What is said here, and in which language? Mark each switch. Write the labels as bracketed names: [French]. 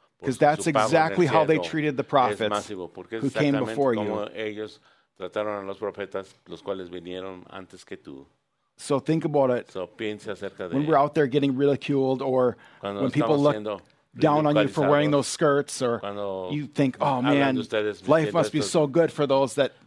[English] Because that's exactly how they treated the prophets who came before you. [Spanish] Trataron a los profetas, los cuales vinieron antes que tú. [English] So think about it. [Spanish] So piense acerca de [English] when we're out there getting ridiculed or [Spanish] cuando [English] when people look down on you for wearing those skirts or [Spanish] cuando [English] you think, oh man, [Spanish] ustedes, [English] life must be so good for those that